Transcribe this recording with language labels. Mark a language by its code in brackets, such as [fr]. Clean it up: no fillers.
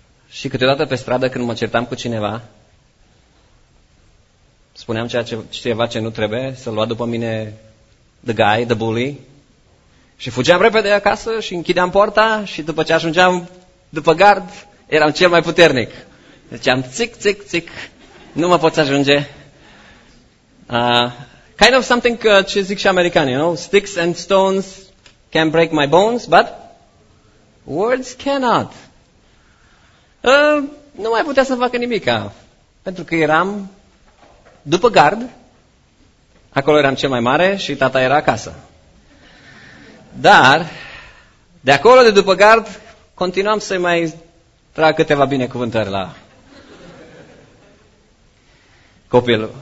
[ro] Și câteodată pe stradă, când mă certam cu cineva, spuneam ceva ce nu trebuie, să-l lua după mine [en] the guy, the bully, [ro] și fugeam repede acasă și închideam porta și după ce ajungeam după gard, eram cel mai puternic. Ziceam, țic, țic, țic, nu mă poți ajunge. [en] Kind of something, [ro] ce zic și americanii, [en] you know? Sticks and stones can break my bones, but words cannot. [ro] Nu mai putea să facă nimica, pentru că eram după gard, acolo eram cel mai mare și tata era acasă. Dar, de acolo, de după gard, continuam să-i mai trag câteva binecuvântări la copil.